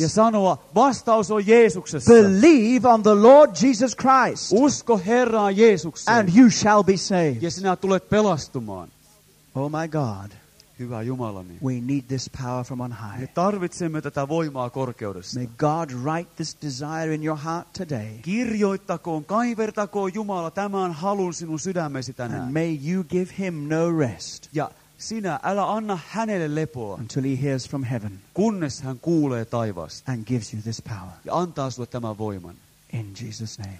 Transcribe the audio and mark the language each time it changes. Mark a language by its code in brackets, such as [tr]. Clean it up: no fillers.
[fi] Ja sanoa vastaus on Jeesuksessa. [en] Believe on the Lord Jesus Christ. [fi] Usko Herraan Jeesukseen. [en] And you shall be saved. [fi] Ja sinä tulet pelastumaan. [en] Oh my God. [fi] Hyvä Jumalani. [en] We need this power from on high. [fi] Me tarvitsemme tätä voimaa korkeudesta. [en] May God write this desire in your heart today. [fi] Kirjoittakoon, kaivertakoon Jumala tämän halun sinun sydämesi tänään. [en] And may you give him no rest. [fi] Ja sinä älä anna hänelle lepoa. [en] Until he hears from heaven. [fi] Kunnes hän kuulee taivaasta. [en] And gives you this power. [fi] Ja antaa sinulle tämän voiman. [en] In Jesus' name.